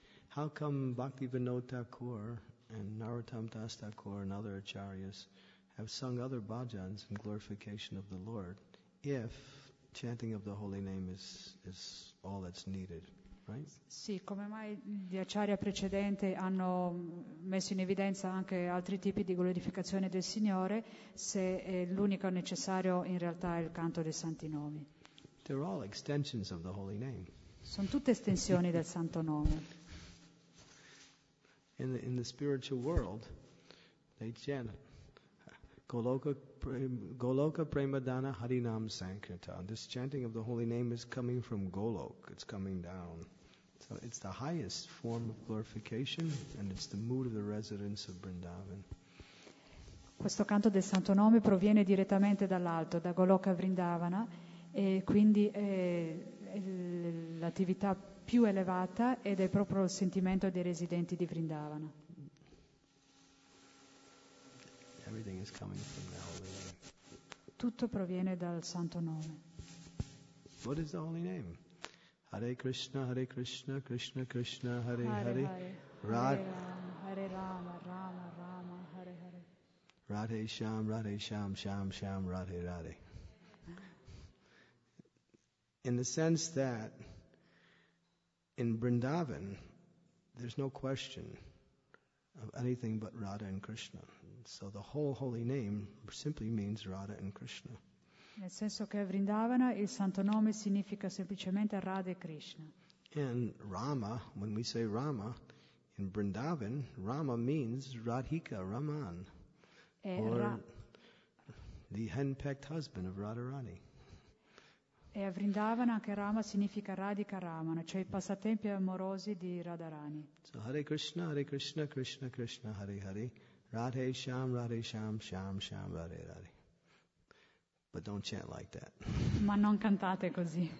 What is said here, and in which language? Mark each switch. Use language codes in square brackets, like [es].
[en] How come Bhaktivinoda Thakur and Narottam Das Thakur and other acharyas have sung other bhajans in glorification of the Lord if chanting of the holy name is all that's needed, right? [it] Sì, come mai gli acharya precedenti hanno messo in evidenza anche altri tipi di glorificazione del Signore se l'unico necessario in realtà è il canto dei santi nomi? [en] They're all extensions of the holy name. [it] Sono tutte estensioni del santo nome. [en] In the spiritual world, they chant Goloka. Goloka Premadana Harinam Sankirtan. This chanting of the holy name is coming from Golok. It's coming down. So it's the highest form of glorification and it's the mood of the residents of Vrindavan. [it] Questo canto del santo nome proviene direttamente dall'alto, da Goloka Vrindavana, e quindi è l'attività più elevata ed è proprio il sentimento dei residenti di Vrindavana. [en] Everything is coming from the holy name. [it] Tutto proviene dal santo nome. [en] What is the holy name? Hare Krishna, Hare Krishna, Krishna Krishna, Hare Hare. Hare Rama, Hare Rama, Rama Rama, Hare Hare. Radhe Shyam, Radhe Shyam, Shyam Shyam, Radhe Radhe. In the sense that in Vrindavan, there's no question of anything but Radha and Krishna. So the whole holy name simply means Radha and Krishna. [it] Nel senso che Vrindavana il santo nome significa semplicemente Radha e Krishna. [en] And Rama, when we say Rama in Vrindavan, Rama means Radhika Raman, the henpecked husband of Radharani. [it] E a Vrindavana anche Rama significa Radhika Ramana, cioè i passatempi amorosi di Radharani. [en] So Hare Krishna, Hare Krishna, Krishna Krishna, Hare Hare. Radhe Shyam, Radhe Shyam, Shyam Shyam, Radhe Radhe. But don't chant like that. [it] Ma non cantate così.